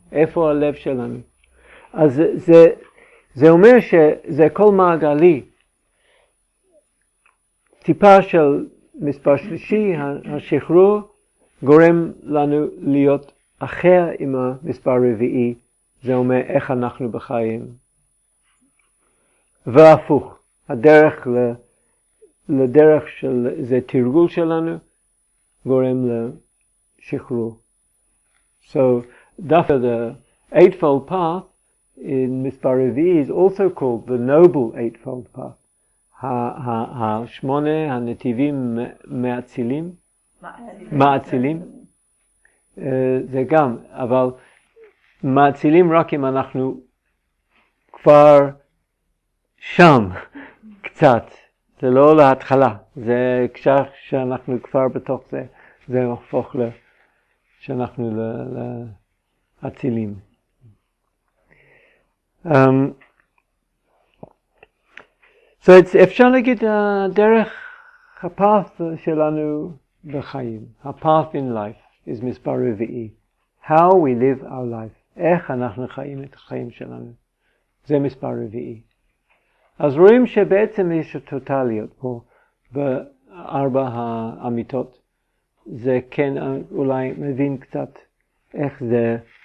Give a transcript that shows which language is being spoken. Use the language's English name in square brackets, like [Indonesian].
[Hebrew] איפה הלב שלנו? אז זה אומר שזה כל מעגלי, טיפה של מספר שלישי, השחרור, גורם לנו להיות אחר עם המספר רביעי, זה אומר איך אנחנו בחיים. והפוך, הדרך לדרך של זה תרגול שלנו, גורם לשחרור. [English] So, [Hebrew] דווקא [English] the Eightfold Path in [Hebrew] מספר רביעי [English] is also called the Noble Eightfold Path. [Hebrew] השמונה הנתיבים מאצילים. מאצילים זה גם, אבל מאצילים רק אם אנחנו כבר שם קצת, זה לא להתחלה, זה כשאר שאנחנו כבר בתוך זה, זה הופך שאנחנו לאצילים. [English] So it's [Hebrew] אפשר להגיד דרך הפאף שלנו בחיים. [English] A path in life is [Hebrew] מספר רביעי. [English] How we live our life. [Hebrew] איך אנחנו חיים את החיים שלנו. זה מספר רביעי. אז רואים שבעצם יש טוטליות פה בארבע האמיתות. זה כן אולי מבין קצת איך זה